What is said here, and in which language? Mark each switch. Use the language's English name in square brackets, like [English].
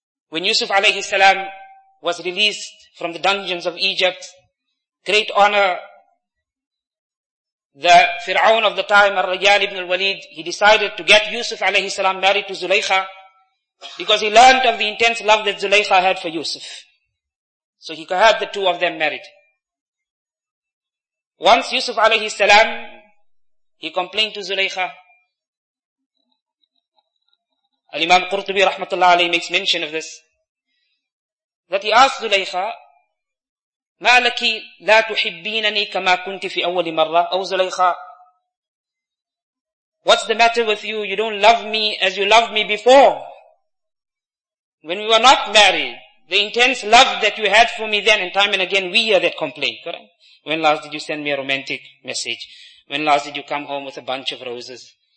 [English] When Yusuf alayhi salam was released from the dungeons of Egypt, great honor, the Fir'aun of the time, Ar-Rajal ibn al-Walid, he decided to get Yusuf alayhi salam married to Zulaykha because he learned of the intense love that Zulaykha had for Yusuf. So he had the two of them married. Once Yusuf alayhi salam, he complained to Zulaykha. Al-Imam Qurtubi rahmatullah alayhi makes mention of this. That he asked Zulaykha, [Arabic] مَا لَكِ لَا تُحِبِّينَنِي كَمَا كُنْتِ فِي أَوَّلِ مَرَّةِ. [English] Oh Zulaykha, what's the matter with you? You don't love me as you loved me before. When we were not married, the intense love that you had for me then, and time and again, we hear that complaint, correct? When last did you send me a romantic message? When last did you come home with a bunch of roses?